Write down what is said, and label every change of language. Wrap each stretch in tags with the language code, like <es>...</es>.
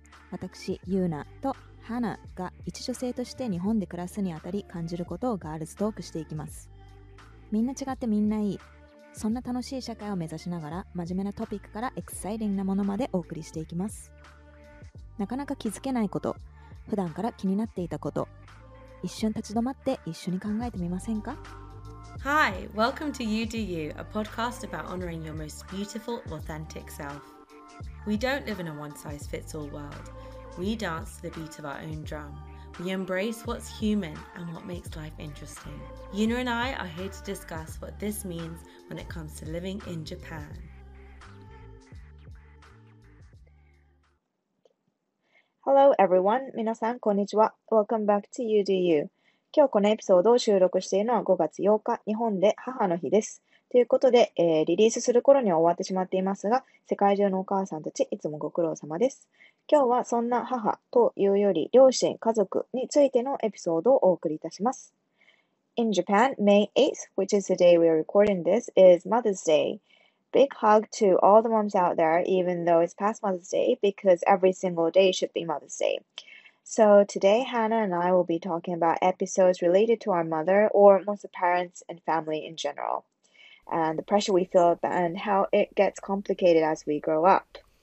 <ja>私、ユーナとハナが一女性として日本で暮らすにあたり感じることをガールズトークしていきます。みんな違ってみんないい、そんな楽しい社会を目指しながら、真面目なトピックからエクサイティングなものまでお送りしていきます。なかなか気づけないこと、普段から気になっていたこと、一瞬立ち止まって一緒に考えてみませんか？</ja> <en>Hi, welcome to You Do You, a podcast about honoring your most beautiful, authentic self. We don't live in a one-size-fits-all world. We dance to the beat of our own drum. We embrace what's human and what makes life interesting. Yuna and I are here to discuss what this means when it comes to living in Japan. Hello everyone,</en> <ja>皆さんこんにちは。</ja> <en>Welcome back to You Do You.</en> <ja>今日このエピソードを収録しているのは5月8日、日本で母の日です。ということで、リリースする頃には終わってしまっていますが、世界中のお母さんたち、いつもご苦労様です。今日はそんな母というより、両親、家族についてのエピソードをお送りいたします。</ja> <en>In Japan, May 8th, which is the day we are recording this, is Mother's Day. Big hug to all the moms out there, even though it's past Mother's Day, because every single day should be Mother's Day. So today, Hannah and I will be talking about episodes related to our mother or most of parents and family in general, and the pressure we feel and how it gets complicated as we grow up.</en>